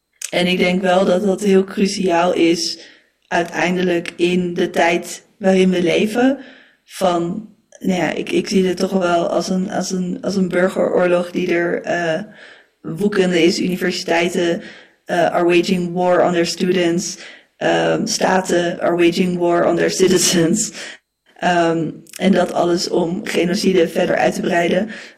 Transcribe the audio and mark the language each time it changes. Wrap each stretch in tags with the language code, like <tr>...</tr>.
<nl>En ik denk wel dat dat heel cruciaal is uiteindelijk in de tijd waarin we leven van, nou ja, ik zie het toch wel als een burgeroorlog die er woekende is. Universiteiten</nl> <en>are waging war on their students.</en> <nl>Staten</nl> <en>are waging war on their citizens.</en> <nl>En dat alles om genocide verder uit te breiden.</nl>